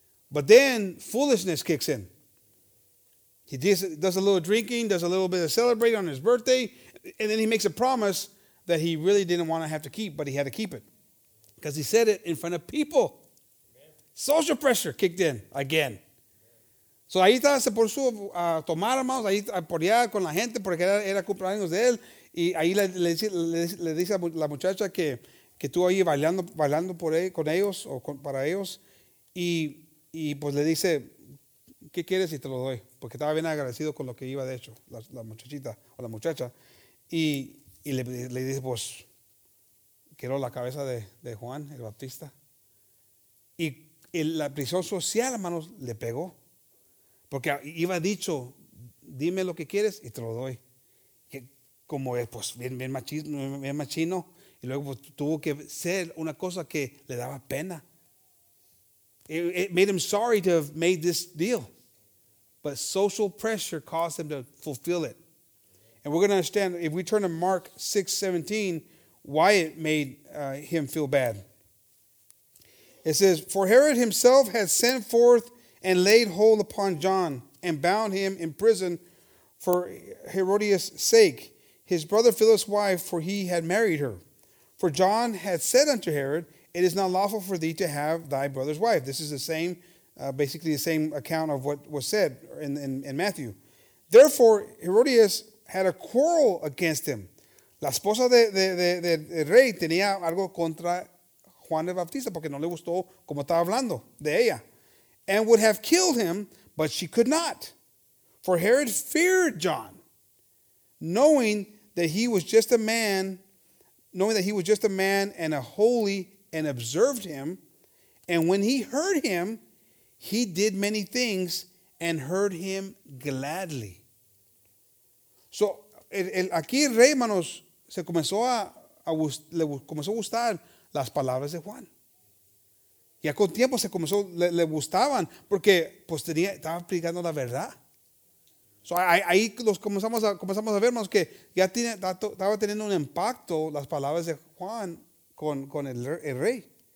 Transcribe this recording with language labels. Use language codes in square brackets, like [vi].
[en] But then foolishness kicks in. He does a little drinking, does a little bit of celebrating on his birthday, and then he makes a promise that he really didn't want to have to keep, but he had to keep it because he said it in front of people. Social pressure kicked in again. [es] So ahí estaba, se puso a tomar, hermanos, ahí a porear con la gente porque era cumpleaños de él. Y ahí le dice a la muchacha que estuvo ahí bailando por él, con ellos o para ellos. Y pues le dice, ¿qué quieres si te lo doy? Porque estaba bien agradecido con lo que iba de hecho, la muchachita o la muchacha. Y le dice, pues, quiero la cabeza de Juan, el Bautista. Y la prisión social, hermanos, le pegó. Porque iba dicho, dime lo que quieres y te lo doy. Que como es, pues, bien machino. Y luego pues, tuvo que ser una cosa que le daba pena. [en] It made him sorry to have made this deal. But social pressure caused him to fulfill it. And we're going to understand, if we turn to Mark 6:17, why it made him feel bad. It says, for Herod himself had sent forth and laid hold upon John, and bound him in prison for Herodias' sake, his brother Philip's wife, for he had married her. For John had said unto Herod, it is not lawful for thee to have thy brother's wife. This is the same, basically the same account of what was said in Matthew. Therefore, Herodias had a quarrel against him. [es] La esposa de rey tenía algo contra Juan el Bautista, porque no le gustó como estaba hablando de ella. [en] And would have killed him, but she could not. For Herod feared John, knowing that he was just a man and a holy, and observed him. And when he heard him, he did many things and heard him gladly. [es] So, aquí el rey, hermanos, se comenzó comenzó a gustar las palabras de Juan. Ya con tiempo se comenzó, le gustaban, porque pues estaba aplicando la verdad. So, ahí los comenzamos a ver, hermanos, que ya estaba teniendo un impacto las palabras de Juan con el rey.